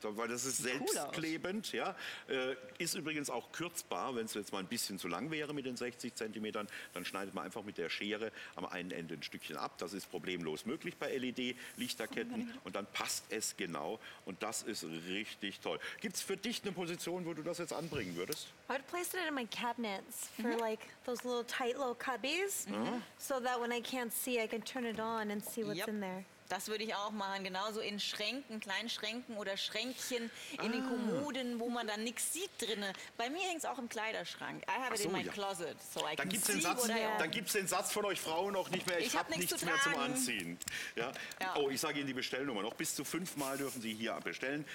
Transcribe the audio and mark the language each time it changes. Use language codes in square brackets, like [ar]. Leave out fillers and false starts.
[de] Weil das ist selbstklebend, ja. Ist übrigens auch kürzbar, wenn es jetzt mal ein bisschen zu lang wäre mit den 60 cm, dann schneidet man einfach mit der Schere am einen Ende ein Stückchen ab. Das ist problemlos möglich bei LED-Lichterketten. Und dann passt es genau und das ist richtig toll. Gibt es für dich eine Position, wo du das jetzt anbringen würdest? [en] I would place it in my cabinets for like those little tight little cubbies, so that when I can't see, I can turn it on and see what's in there. [de] Das würde ich auch machen, genauso in Schränken, kleinen Schränken oder Schränkchen in den Kommoden, wo man dann nichts sieht drinnen. Bei mir hängt es auch im Kleiderschrank. [en] I have it in my closet, so I can see what I own. [de] Dann gibt es den Satz von euch Frauen auch nicht mehr, ich habe nichts mehr zum Anziehen. Ja? Ja. Oh, ich sage Ihnen die Bestellnummer noch. Bis zu 5-mal dürfen Sie hier bestellen.